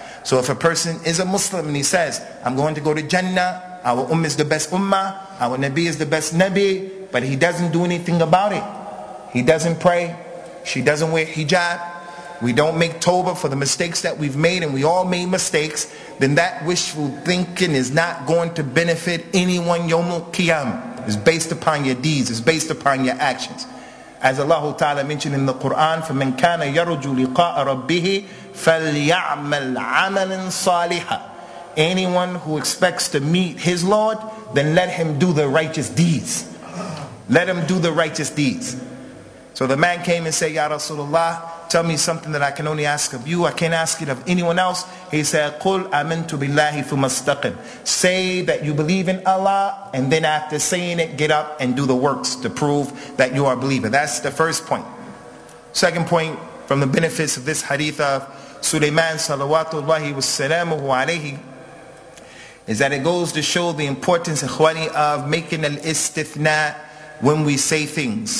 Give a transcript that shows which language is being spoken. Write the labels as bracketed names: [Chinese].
[English] So if a person is a Muslim and he says, I'm going to go to Jannah, our Ummah is the best Ummah, our Nabi is the best Nabi, but he doesn't do anything about it. He doesn't pray. She doesn't wear hijab. We don't make tawbah for the mistakes that we've made, and we all made mistakes. Then that wishful thinking is not going to benefit anyone Yawm al-Qiyamah. It's based upon your deeds. It's based upon your actions. As Allah Ta'ala mentioned in the Quran, [Arabic] فَمَنْ كَانَ يَرُجُّ لِقَاءَ رَبِّهِ فَلْيَعْمَلْ عَمَلًا صَالِحًا. [English] Anyone who expects to meet his Lord, then let him do the righteous deeds. Let him do the righteous deeds. So the man came and said, Ya Rasulullah, tell me something that I can only ask of you. I can't ask it of anyone else. He said, [Arabic] قُلْ أَمِنْتُ بِاللَّهِ فُمَسْتَقِمْ. [English] Say that you believe in Allah, and then after saying it, get up and do the works to prove that you are a believer. That's the first point. Second point from the benefits of this hadith of Sulaiman salawatullahi wassalamu alayhi is that it goes to show the importance, ikhwani, of making al-istithna when we say things.